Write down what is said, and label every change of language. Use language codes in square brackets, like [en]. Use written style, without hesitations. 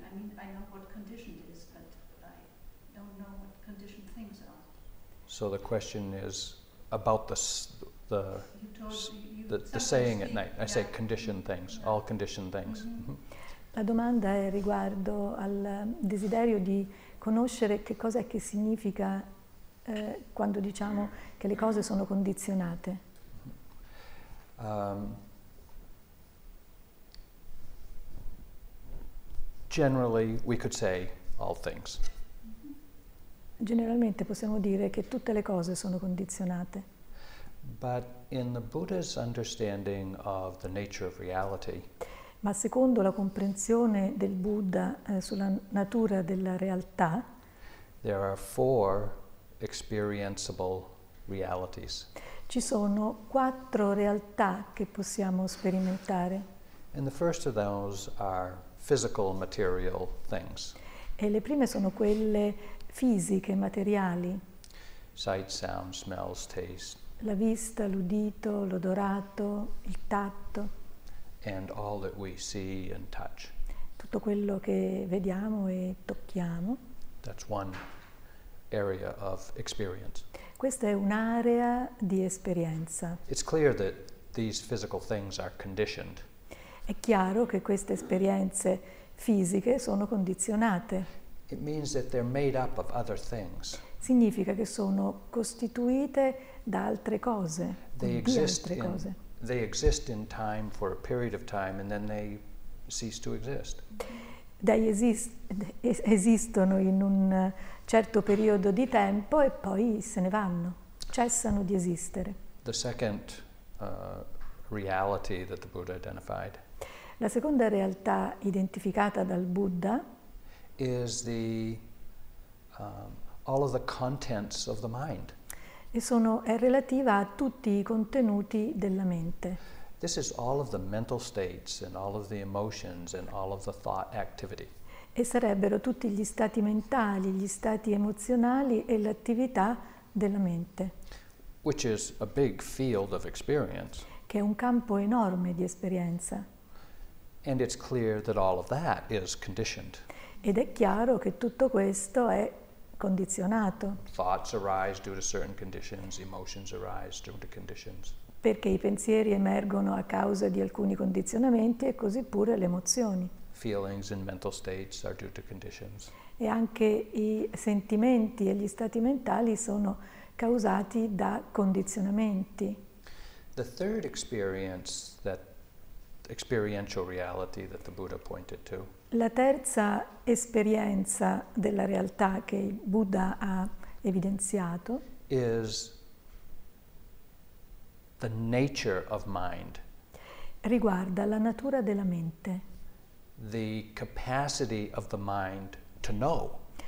[en] I mean, I know what conditioned is, but I don't know what conditioned things are. So the question is about the saying at night. I say conditioned things, all conditioned things. [it] La domanda è riguardo al desiderio di conoscere che cosa è che significa quando diciamo che le cose sono condizionate. [en] Generally we could say all things. [it] Generalmente possiamo dire che tutte le cose sono condizionate. [en] But in the Buddha's understanding of the nature of reality, [it] ma secondo la comprensione del Buddha sulla natura della realtà, [en] there are four experienceable realities. [it] Ci sono quattro realtà che possiamo sperimentare. [en] And the first of those are physical, material things. [it] E le prime sono quelle fisiche, materiali. [en] Sight, sound, smells, taste. [it] La vista, l'udito, l'odorato, il tatto. [en] And all that we see and touch. [it] Tutto quello che vediamo e tocchiamo. [en] That's one area of experience. [it] Questa è un'area di esperienza. [en] It's clear that these physical things are conditioned. [it] È chiaro che queste esperienze fisiche sono condizionate. [en] It means that they're made up of other things. [it] Significa che sono costituite da altre cose. [en] They exist [it] altre cose. [en] They exist in time for a period of time and then they cease to exist. [it] Esistono in un certo periodo di tempo e poi se ne vanno, cessano di esistere. [en] The second reality that the Buddha identified. [it] La seconda realtà identificata dal Buddha [en] is the all of the contents of the mind. [it] E sono, è relativa a tutti I contenuti della mente. [en] This is all of the mental states and all of the emotions and all of the thought activity. [it] E sarebbero tutti gli stati mentali, gli stati emozionali e l'attività della mente. [en] Which is a big field of experience. [it] Che è un campo enorme di esperienza. [en] And it's clear that all of that is conditioned. [it] Ed è chiaro che tutto questo è condizionato. [en] Thoughts arise due to certain conditions, emotions arise due to conditions. [it] Perché I pensieri emergono a causa di alcuni condizionamenti e così pure le emozioni. [en] Feelings and mental states are due to conditions. [it] E anche I sentimenti e gli stati mentali sono causati da condizionamenti. [en] The third experience that experiential reality that the Buddha pointed to. [it] La terza esperienza della realtà che il Buddha ha evidenziato [en] is the nature of mind. [it] Riguarda la natura della mente. [en] The capacity of the mind to know.